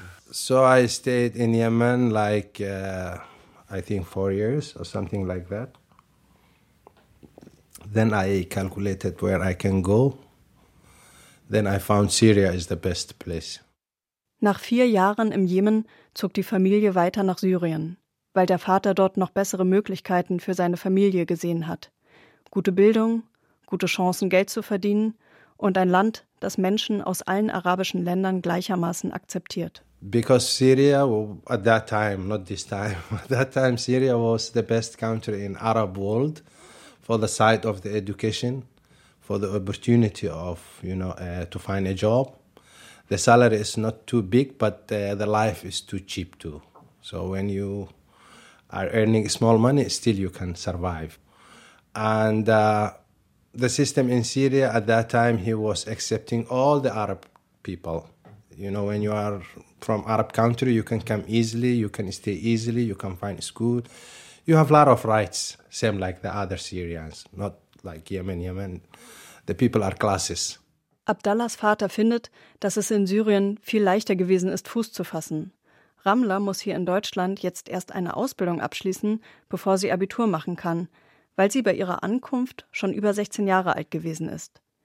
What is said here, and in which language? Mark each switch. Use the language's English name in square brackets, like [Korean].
[English] So I stayed in Yemen like I think 4 years or something like that. Then I calculated where I can go. Then I found Syria is the best place. [German] Nach 4 Jahren im Jemen zog die Familie weiter nach Syrien, weil der Vater dort noch bessere Möglichkeiten für seine Familie gesehen hat. Gute Bildung, gute Chancen, Geld zu verdienen und ein Land, das Menschen aus allen arabischen Ländern gleichermaßen akzeptiert. [English] Because Syria, at that time, not this time, at that time Syria was the best country in Arab world for the side of the education, for the opportunity of, you know, to find a job. The salary is not too big, but the life is too cheap too. So when you are earning small money, still you can survive. And the system in Syria at that time, he was accepting all the Arab people. You know, when you are from Arab country, you can come easily, you can stay easily, you can find school. You have a lot of rights, same like the other Syrians, not like Yemen. Yemen, the people are classes. [German] Abdallahs Vater findet, dass es in Syrien viel leichter gewesen ist, Fuß zu fassen. Ramla muss hier in Deutschland jetzt erst eine Ausbildung abschließen, bevor sie Abitur machen kann, weil sie bei ihrer Ankunft schon über 16 Jahre alt gewesen ist.